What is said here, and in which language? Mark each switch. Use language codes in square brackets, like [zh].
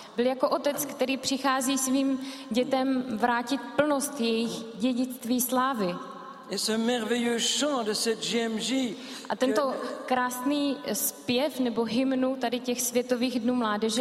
[cs] Byl jako otec, který přichází svým dětem vrátit plnost jejich dědictví slávy. [fr] Et ce merveilleux chant de cette JMJ. [cs] A tento krásný zpěv nebo hymnu tady těch světových dnů mládeže,